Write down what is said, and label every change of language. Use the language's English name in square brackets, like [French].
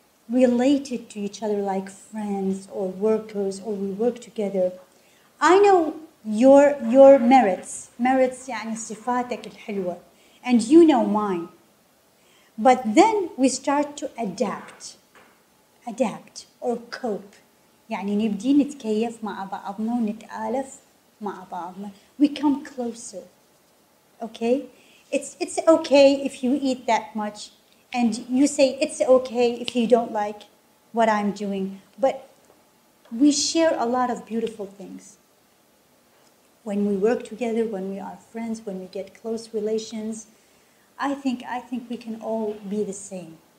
[English] related to each other like friends or workers, or we work together. I know your merits [Arabic] يعني صفاتك الحلوة, [English] and you know mine. But then we start to adapt or cope. [Arabic] يعني نبدي نتكيف مع بعضنا ونتألف مع بعضنا. [English] We come closer. Okay, it's okay if you eat that much, and you say it's okay if you don't like what I'm doing. But we share a lot of beautiful things. When we work together, when we are friends, when we get close relations, I think we can all be the same.